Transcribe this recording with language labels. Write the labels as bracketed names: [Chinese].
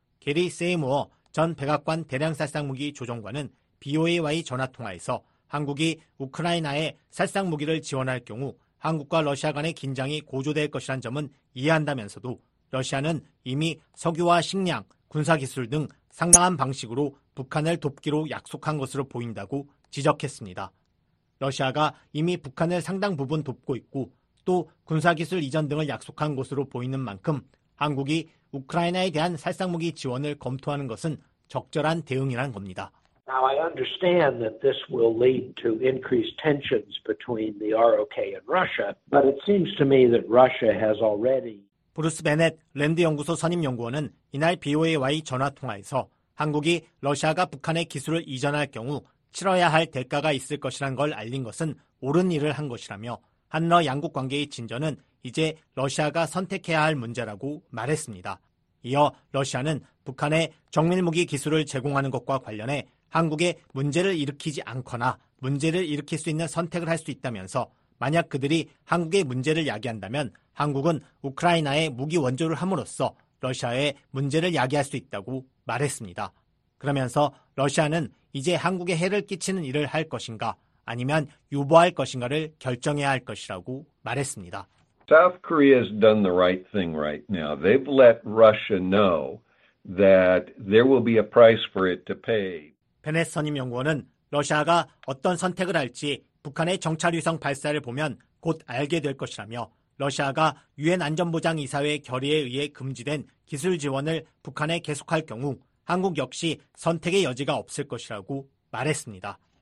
[Korean] 게리 세이무어 전 백악관 대량살상무기 조정관은 BOA와의 전화통화에서 한국이 우크라이나에 살상무기를 지원할 경우 한국과 러시아 간의 긴장이 고조될 것이란 점은 이해한다면서도 러시아는 이미 석유와 식량, 군사기술 등 상당한 방식으로 북한을 돕기로 약속한 것으로 보인다고 지적했습니다. 러시아가 이미 북한을 상당 부분 돕고 있고 또 군사기술 이전 등을 약속한 것으로 보이는 만큼 한국이 우크라이나에 대한 살상무기 지원을 검토하는 것은 적절한 대응이란 겁니다. [English] Now I understand that this will lead to increased tensions between the ROK and Russia, but it seems to me that Russia has already [Korean] 브루스 베넷 랜드 연구소 선임 연구원은 이날 BOA와의 전화 통화에서 한국이 러시아가 북한의 기술을 이전할 경우 치러야 할 대가가 있을 것이란 걸 알린 것은 옳은 일을 한 것이라며 한러 양국 관계의 진전은 이제 러시아가 선택해야 할 문제라고 말했습니다. 이어 러시아는 북한에 정밀무기 기술을 제공하는 것과 관련해 한국에 문제를 일으키지 않거나 문제를 일으킬 수 있는 선택을 할 수 있다면서 만약 그들이 한국에 문제를 야기한다면 한국은 우크라이나에 무기 원조를 함으로써 러시아에 문제를 야기할 수 있다고 말했습니다. 그러면서 러시아는 이제 한국에 해를 끼치는 일을 할 것인가 아니면 유보할 것인가를 결정해야 할 것이라고 말했습니다. [English] South Korea has done the right thing right now. They've let Russia know that there will be a price for it to pay. [Korean] 베넷 선임 연구원은 러시아가 어떤 선택을 할지 북한의 정찰위성 발사를 보면 곧 알게 될 것이라며 러시아가 유엔 안전보장이사회 결의에 의해 금지된 기술 지원을 북한에 계속할 경우 한국 역시 선택의 여지가 없을 것이라고 말했습니다.